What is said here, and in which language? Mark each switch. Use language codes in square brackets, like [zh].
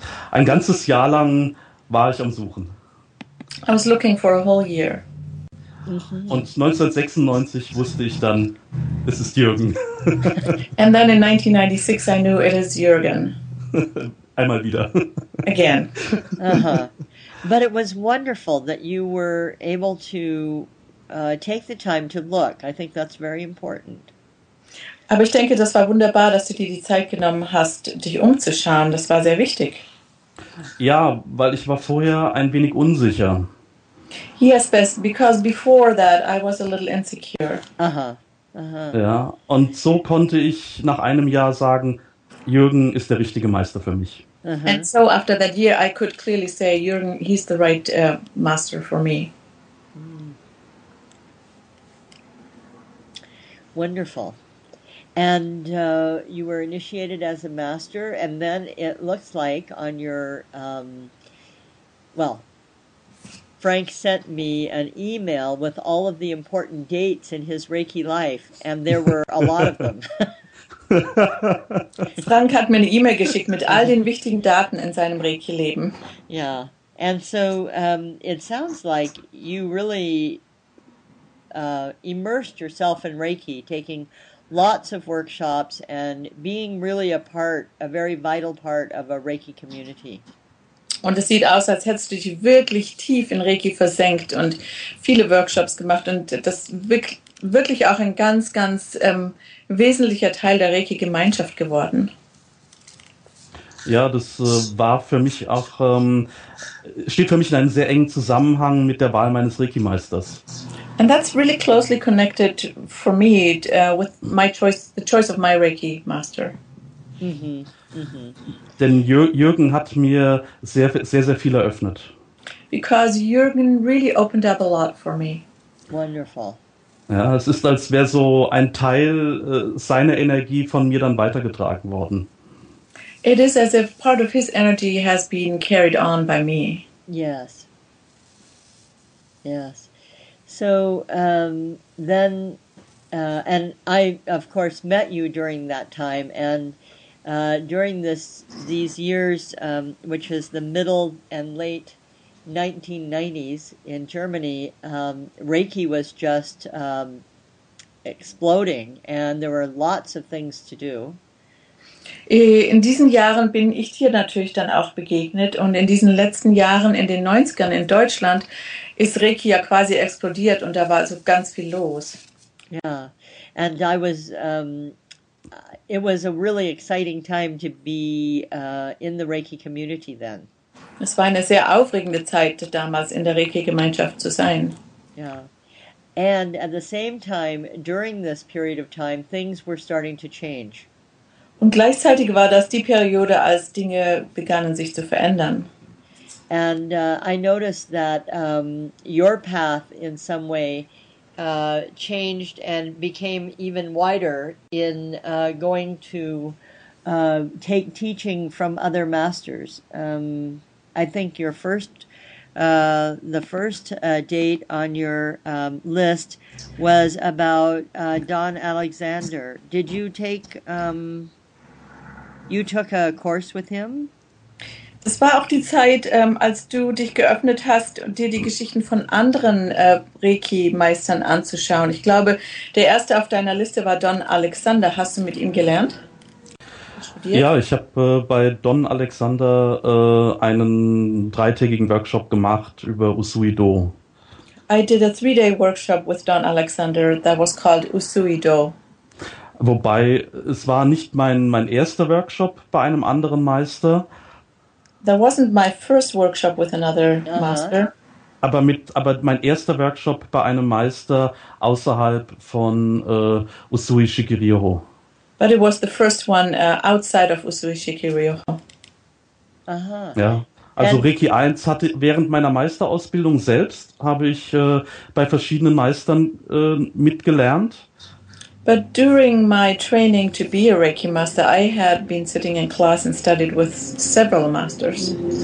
[de] Ein ganzes Jahr lang war ich am Suchen. [en] I was looking for a whole year. [de] Und 1996 wusste ich dann, es ist Jürgen. [en] And then in 1996 I knew it is Jürgen. [de] Einmal wieder. [en] Again. Uh-huh. But it was wonderful that you were able to take the time to look. I think that's very important. [de] Aber ich denke, das war wunderbar, dass du dir die Zeit genommen hast, dich umzuschauen. Das war sehr wichtig. Ja, weil ich war vorher ein wenig unsicher. [en] Yes, because before that I was a little insecure. Aha. Uh-huh. [de] Ja, und so konnte ich nach einem Jahr sagen, Jürgen ist der richtige Meister für mich. Uh-huh. [en] And so after that year, I could clearly say, Jürgen, he's the right master for me. Mm. Wonderful. And you were initiated as a master, and then it looks like on your, Frank sent me an email with all of the important dates in his Reiki life, and there were a lot of them. [de] Frank hat mir eine E-Mail geschickt mit all den wichtigen Daten in seinem Reiki-Leben. [en] Yeah, and so it sounds like you really immersed yourself in Reiki, taking lots of workshops and being really a part, a very vital part of a Reiki community. [de] Und es sieht aus, als hättest du dich wirklich tief in Reiki versenkt und viele Workshops gemacht und das wirklich auch ein ganz, ganz wesentlicher Teil der Reiki-Gemeinschaft geworden. Ja, das war für mich auch, steht für mich in einem sehr engen Zusammenhang mit der Wahl meines Reiki-Meisters. [en] And that's really closely connected for me with my choice, the choice of my Reiki-Master. [de] Denn Jürgen hat mir sehr, sehr, sehr viel eröffnet. [en] Because Jürgen really opened up a lot for me. Wonderful. [de] Ja, es ist, als wäre so ein Teil seiner Energie von mir dann weitergetragen worden. [en] It is as if part of his energy has been carried on by me. Yes. Yes. So then, and I, of course, met you during that time, and during these years, which is the middle and late 1990s in Germany, Reiki was just exploding, and there were lots of things to do. [de] In diesen Jahren bin ich dir natürlich dann auch begegnet, und in diesen letzten Jahren in den 90ern in Deutschland ist Reiki ja quasi explodiert, und da war also ganz viel los. Ja, yeah. [en] And I was, it was a really exciting time to be in the Reiki community then. [de] Es war eine sehr aufregende Zeit, damals in der Reiki-Gemeinschaft zu sein. Ja, yeah. [en] And at the same time, during this period of time, things were starting to change. [de] Und gleichzeitig war das die Periode, als Dinge begannen, sich zu verändern. [en] And I noticed that your path in some way changed and became even wider in going to take teaching from other masters. I think your first, date on your list was about Don Alexander. Did you take... You took a course with him? [de] Das war auch die Zeit, als du dich geöffnet hast, dir die Geschichten von anderen Reiki-Meistern anzuschauen. Ich glaube, der erste auf deiner Liste war Don Alexander. Hast du mit ihm gelernt? Studiert? Ja, ich habe bei Don Alexander einen dreitägigen Workshop gemacht über Usui-Do. [en] I did a three-day workshop with Don Alexander that was called Usui-Do. [de] Wobei, es war nicht mein erster Workshop bei einem anderen Meister. [en] That wasn't my first workshop with another master. [de] Aber mein erster Workshop bei einem Meister außerhalb von Usui Shikiryoho. [en] But it was the first one outside of Usui Shikiryoho. Aha. Ja. [de] Also Reiki 1 hatte während meiner Meisterausbildung selbst, habe ich bei verschiedenen Meistern mitgelernt. [en] But during my training to be a Reiki master, I had been sitting in class and studied with several masters.